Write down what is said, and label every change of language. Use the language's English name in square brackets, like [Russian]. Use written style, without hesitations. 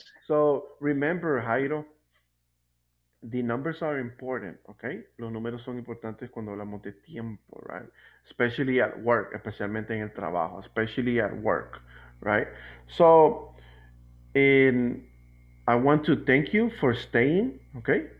[English] So remember, Jairo, the numbers are important, okay? [Spanish] Los números son importantes cuando hablamos de tiempo, right? [English] Especially at work, [Spanish] especialmente en el trabajo, [English] especially at work, right? So I want to thank you for staying, okay?